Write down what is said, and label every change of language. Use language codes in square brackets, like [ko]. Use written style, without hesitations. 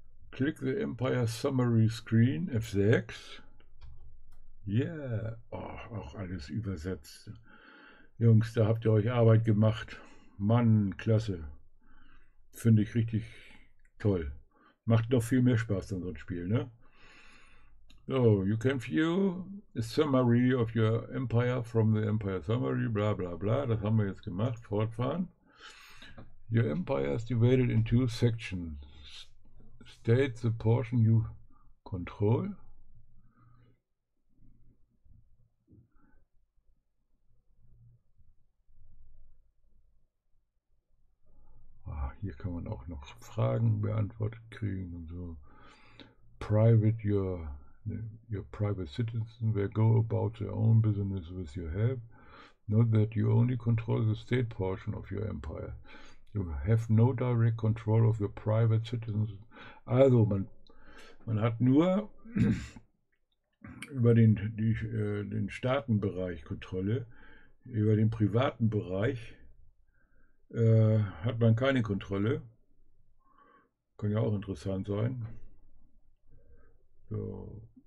[en] Click the Empire Summary Screen F6. Yeah, oh, [de] auch alles übersetzt. Jungs, da habt ihr euch Arbeit gemacht. Mann, klasse. Finde ich richtig toll. Macht noch viel mehr Spaß als so ein Spiel, ne? [en] So, you can view a summary of your empire from the empire summary, bla bla bla. [de] Das haben wir jetzt gemacht. Fortfahren. [en] Your empire is divided in two sections. State the portion you control. [de] Hier kann man auch noch Fragen beantwortet kriegen und so. [en] Private your private citizen will go about their own business with your help. Note that you only control the state portion of your empire. You have no direct control of your private citizens. [de] Also man hat nur über den Staatenbereich Kontrolle, über den privaten Bereich hat man keine Kontrolle. Kann ja auch interessant sein. So.